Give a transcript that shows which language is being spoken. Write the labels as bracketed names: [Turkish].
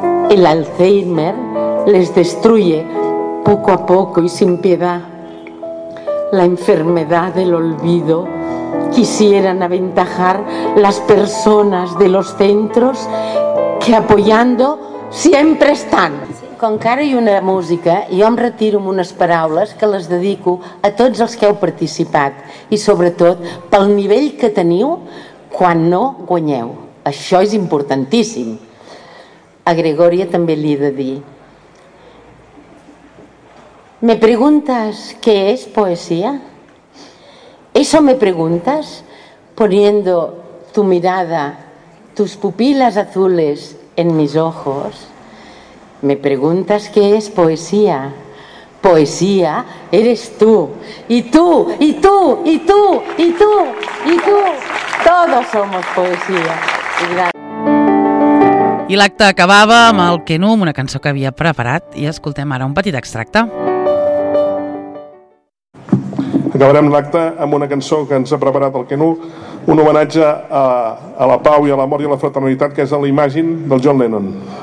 [Spanish] El Alzheimer les destruye poco a poco y sin piedad. La enfermedad del olvido quisieran aventajar las personas de los centros que apoyando siempre están. [Catalan] Con cara i una música, jo em retiro amb unes paraules que les dedico a tots els que heu participat i sobretot pel nivell que teniu quan no guanyeu. Això és importantíssim. A Gregòria també li he de dir: [Spanish] ¿me preguntas qué es poesía? ¿Eso me preguntas poniendo tu mirada, tus pupilas azules en mis ojos? ¿Me preguntas qué es poesía? Poesía eres tú, y tú, y tú, y tú, y tú, y tú. Todos somos poesía. [Catalan] I l'acte acabava amb el Kenum, una cançó que havia preparat, i escoltem ara un petit extracte. Acabarem l'acte amb una cançó que ens ha preparat el Kenu, un homenatge a la pau i a l'amor i a la fraternitat, que és a la imatge del John Lennon.